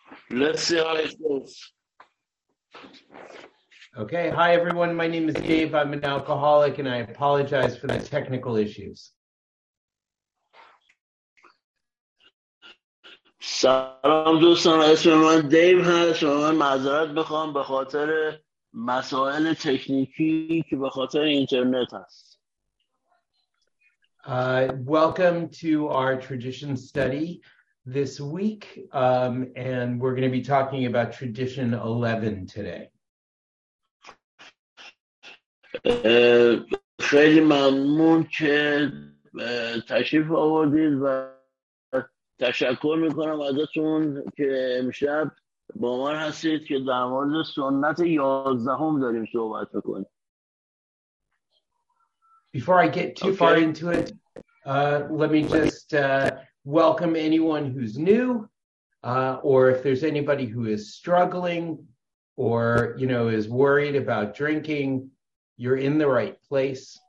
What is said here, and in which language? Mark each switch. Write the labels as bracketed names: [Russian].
[English] Let's see how it goes. Okay. Hi, everyone. My name is Dave. I'm an alcoholic, and I apologize for the technical issues. [Persian] سلام دوستان، اسم من دیو هست و من معذرت بخوام به خاطر مسائل تکنیکی که به خاطر اینترنت هست. [English] Welcome to our tradition study this week, and we're going to be talking about tradition 11 today. [Persian] خیلی ممنون که تشریف آوردید و تشکر میکنم ازتون که امشب با ما هستید که در مورد سنت 11 داریم صحبت میکنیم. [English] Before I get too far into it, let me just welcome anyone who's new, or if there's anybody who is struggling or, you know, is worried about drinking, you're in the right place.